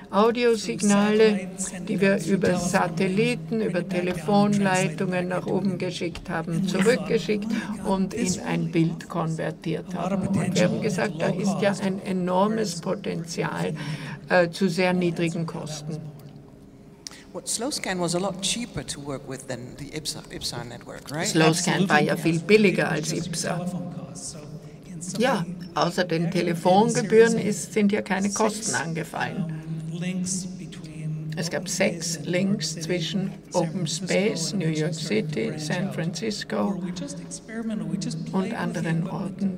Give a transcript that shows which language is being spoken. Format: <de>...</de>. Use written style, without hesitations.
<de>Audiosignale, die wir über Satelliten, über Telefonleitungen nach oben geschickt haben, zurückgeschickt und in ein Bild konvertiert haben. Und wir haben gesagt, da ist ja ein enormes Potenzial zu sehr niedrigen Kosten.</de> <en>SlowScan was a lot cheaper to work with than the IPSA network, right?</en> <de>SlowScan war ja viel billiger als IPSA. Ja, außer den Telefongebühren sind ja keine Kosten angefallen. Es gab 6 Links zwischen Open Space, New York City, San Francisco und anderen Orten.</de>